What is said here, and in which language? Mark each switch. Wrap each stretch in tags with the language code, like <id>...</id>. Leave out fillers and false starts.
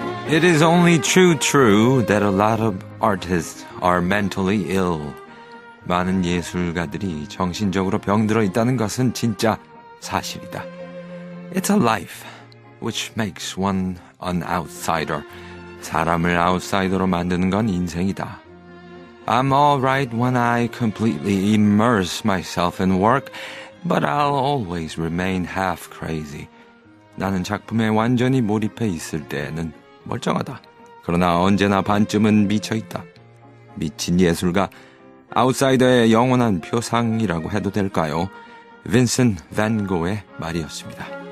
<en>It is only too true that a lot of artists are mentally ill.</en> <ko>많은 예술가들이 정신적으로 병들어 있다는 것은 진짜 사실이다.</ko> <en>It's a life which makes one an outsider.</en> <ko>사람을 아웃사이더로 만드는 건 인생이다.</ko> <en>I'm all right when I completely immerse myself in work, but I'll always remain half crazy.</en> <ko>나는 작품에 완전히 몰입해 있을 때에는 멀쩡하다. 그러나 언제나 반쯤은 미쳐있다. 미친 예술가, 아웃사이더의 영원한 표상이라고 해도 될까요? 빈센트 밴 고의 말이었습니다.</ko>